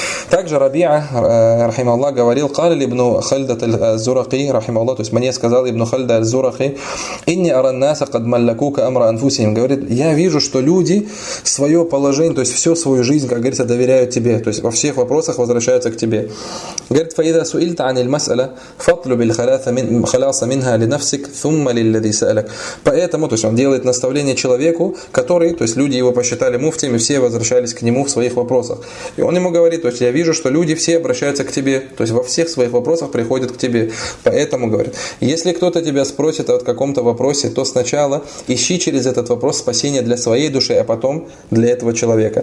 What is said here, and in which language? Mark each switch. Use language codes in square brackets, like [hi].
[ru] Также Рабиа, рахималлах, говорил, [ar] قال ابن خلدة الزرقي, [ru] рахималлах, то есть мне сказал ابن خلدة الزرقي, [ar] إني أرى الناس قد ملكوك أمر أنفسهم, [ru] говорит, я вижу, что люди свое положение, то есть всю свою жизнь, как говорится, доверяют тебе, то есть во всех вопросах возвращаются к тебе. Говорит, [ar] فإذا سئلت عن المسألة, فطلب الخلاص منها لنفسك, ثم للذي سألك. [ru] Поэтому, то есть он делает наставление человеку, который, то есть люди его посчитали муфтиями, все возвращались к нему в своих вопросах. И он ему говорит, то есть я вижу, что люди все обращаются к тебе, то есть во всех своих вопросах приходят к тебе. Поэтому, говорит, если кто-то тебя спросит о каком-то вопросе, то сначала ищи через этот вопрос спасение для своей души, а потом для этого человека.